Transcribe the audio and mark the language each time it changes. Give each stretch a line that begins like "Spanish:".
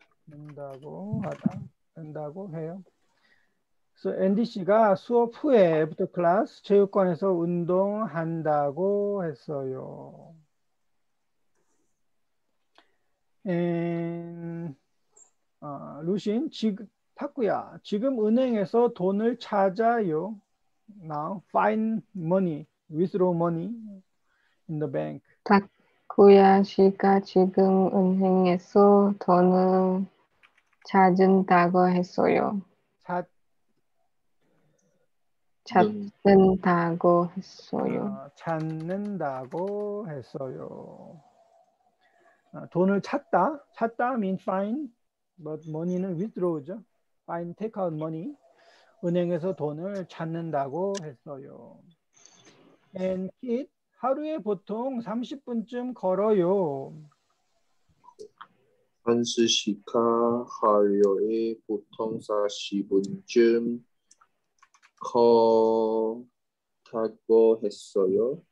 Korean: 된다고 하다, 된다고 해요. So Andy 씨가 수업 후에
English: after class
Korean: 체육관에서 운동한다고 했어요. And 루신 지금 탁구야 지금 은행에서 돈을 찾아요.
English: Now find money, withdraw money in the bank.
Korean: 탁구야 씨가 지금 은행에서 돈을 찾는다고 했어요. 찾는다고 했어요. 찾는다고 했어요. 돈을 찾다.
English: 찾다 means find. But money는 withdraw죠. Find, take out money.
Korean: 은행에서 돈을 찾는다고 했어요. And kid, 하루에 보통 30분쯤 걸어요. 한스 씨가 하루에 보통 40분쯤 걷다고 했어요.